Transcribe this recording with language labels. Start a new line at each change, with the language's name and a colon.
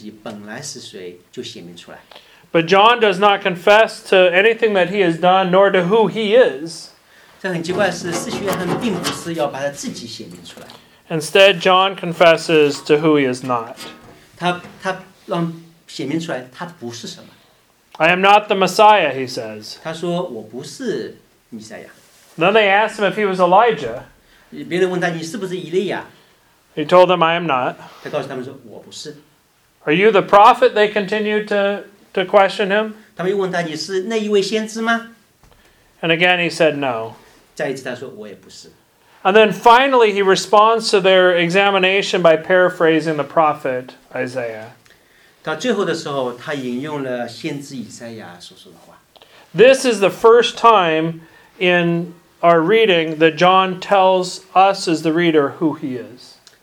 Chinese: 当我们知道明说的时候或坦白的时候，常常就是把我们自己本来是谁就显明出来。
English: But John does not confess to anything that he has done, nor to who he is.
Chinese: 这很奇怪是，司洗约翰并不是要把他自己显明出来。
English: Instead, John confesses to who he is not.
Chinese: 他让显明出来他不是什么。
English: I am not the Messiah, he says.
Chinese: 他说，我不是弥赛亚。
English: Then they asked him if he was Elijah.
Chinese: 别人问他，你是不是以利亚？
English: He told them, I am not.
Chinese: 他告诉他们说，我不是。
English: Are you the prophet? They continued to question him.
Chinese: 他们又问他，你是那一位先知吗？
English: And again he said no.
Chinese: 再一次他说，我也不是。
English: And then finally he responds to their examination by paraphrasing the prophet Isaiah.
Chinese: 到最后的时候，他引用了先知以赛亚所说的话。
English: This is the first time in our reading that John tells us as the reader who he is.